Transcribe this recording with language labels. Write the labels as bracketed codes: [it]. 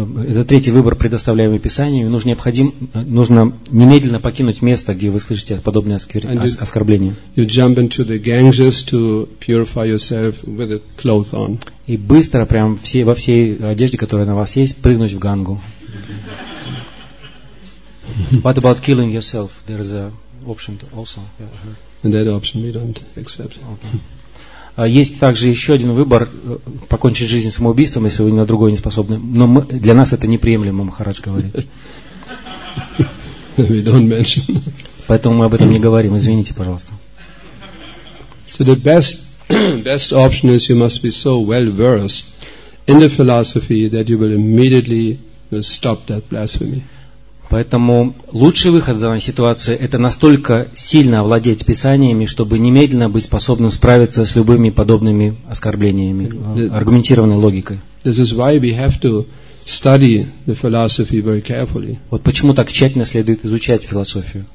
[ru] Это третий выбор, предоставляемый Писанием. Нужно немедленно покинуть место, где вы слышите подобное оскорбление. [en] You jump into the Ganges to purify yourself with a cloth on. [ru] И быстро, прям во всей одежде, которая на вас есть, прыгнуть в Гангу. [en] What about killing yourself? There is a option also. And that option we don't accept. Okay. [ru] Есть также еще один выбор, покончить жизнь самоубийством, если вы ни на другое не способны. Но мы, для нас это неприемлемо, Махарадж говорит. [en] We don't mention. [ru] Поэтому мы об этом не говорим, извините, пожалуйста. [en] So the best option is you must be so well versed in the philosophy that you will immediately stop that blasphemy. [ru] Поэтому лучший выход в данной ситуации – это настолько сильно овладеть писаниями, чтобы немедленно быть способным справиться с любыми подобными оскорблениями, аргументированной логикой. [en] This is why we have to study the philosophy very carefully. [ru] Вот почему так тщательно следует изучать философию.